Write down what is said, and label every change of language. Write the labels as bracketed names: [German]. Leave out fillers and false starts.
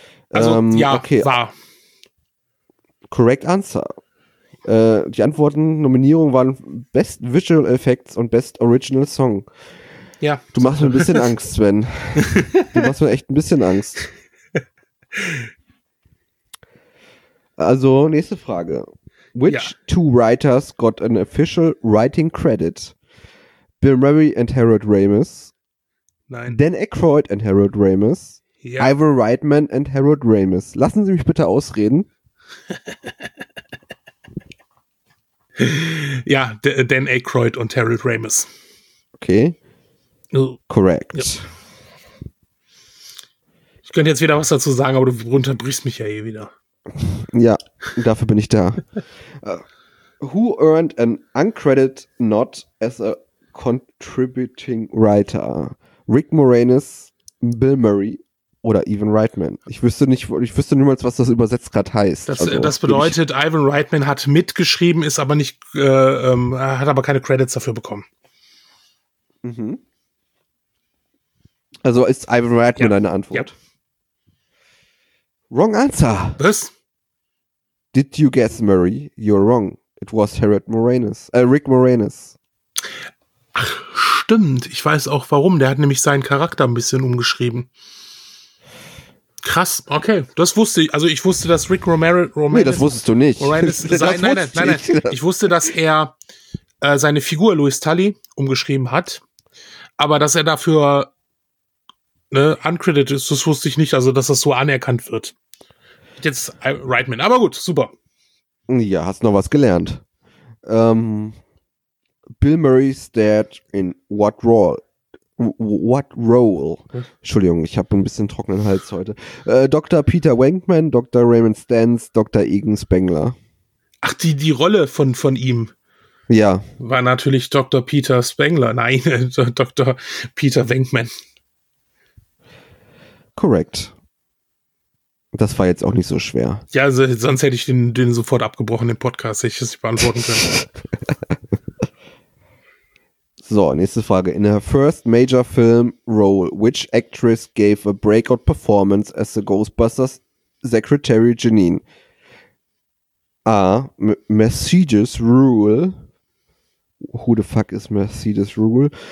[German] Also, ja, okay. War. [English] Correct answer. [German] Die Antworten, Nominierung waren Best Visual Effects und Best Original Song. Ja. Du machst mir ein bisschen Angst, Sven. Du machst mir echt ein bisschen Angst. Also, nächste Frage. [English] Which two writers got an official writing credit? Bill Murray and Harold Ramis? [German] Nein. [English] Dan Aykroyd and Harold Ramis? [German] Ja. [English] Ivor Reitman and Harold Ramis? [German] Lassen Sie mich bitte ausreden. Ja, Dan Aykroyd und Harold Ramis. [English] Okay. Correct. [German] Ja. Ich könnte jetzt wieder was dazu sagen, aber du unterbrichst mich ja eh wieder. Ja, dafür bin ich da. [English] Who earned an uncredited nod as a contributing writer? [German] Rick Moranis, Bill Murray oder Ivan Reitman? Ich wüsste niemals, was das übersetzt gerade heißt. Das bedeutet, Ivan Reitman hat mitgeschrieben, ist aber nicht, hat aber keine Credits dafür bekommen. Mhm. Also ist Ivan Reitman deine Antwort? Ja. [English] Wrong answer. [German] Was? [English] Did you guess Murray? You're wrong. It was Harold Moranis. [German] Rick Moranis. Ach, stimmt. Ich weiß auch warum. Der hat nämlich seinen Charakter ein bisschen umgeschrieben. Krass. Okay, das wusste ich. Also ich wusste, dass Rick Moranis. Nee, das wusstest du nicht. Ich wusste, dass er seine Figur Louis Tully umgeschrieben hat. Aber dass er dafür uncredited ist, das wusste ich nicht. Also, dass das so anerkannt wird. Jetzt Reitman. Aber gut, super. Ja, hast noch was gelernt. [English] Bill Murray's dad in what role? [German] Entschuldigung, ich habe ein bisschen trockenen Hals heute. Dr. Peter Wankman, Dr. Raymond Stantz, Dr. Egan Spengler. Ach, die Rolle von ihm. Ja. War natürlich Dr. Peter Spengler. Nein, Dr. Peter Wankman. Korrekt. Das war jetzt auch nicht so schwer. Ja, also sonst hätte ich den sofort abgebrochen, den Podcast, hätte ich das nicht beantworten können. So, nächste Frage. [English] In her first major film role, which actress gave a breakout performance as the Ghostbusters Secretary Janine? A. Mercedes Rule. Who the fuck is Mercedes Rule?